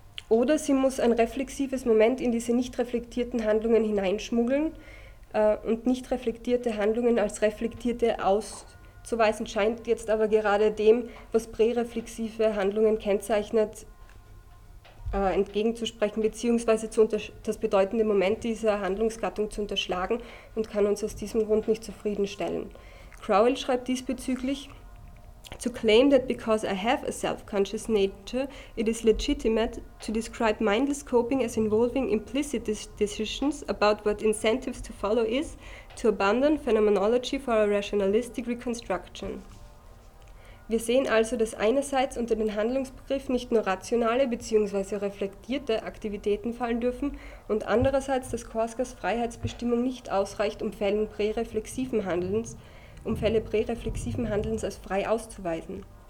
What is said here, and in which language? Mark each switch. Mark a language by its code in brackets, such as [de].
[de] Oder sie muss ein reflexives Moment in diese nicht reflektierten Handlungen hineinschmuggeln und nicht reflektierte Handlungen als reflektierte auszuweisen, scheint jetzt aber gerade dem, was präreflexive Handlungen kennzeichnet, entgegenzusprechen bzw. das bedeutende Moment dieser Handlungsgattung zu unterschlagen und kann uns aus diesem Grund nicht zufriedenstellen. [en] Crowell [de] schreibt diesbezüglich: [en] "To claim that because I have a self-conscious nature, it is legitimate to describe mindless coping as involving implicit decisions about what incentives to follow is, to abandon phenomenology for a rationalistic reconstruction." [de] Wir sehen also, dass einerseits unter den Handlungsbegriff nicht nur rationale bzw. reflektierte Aktivitäten fallen dürfen und andererseits, dass Korskas Freiheitsbestimmung nicht ausreicht, um Fälle präreflexiven Handelns als frei auszuweisen.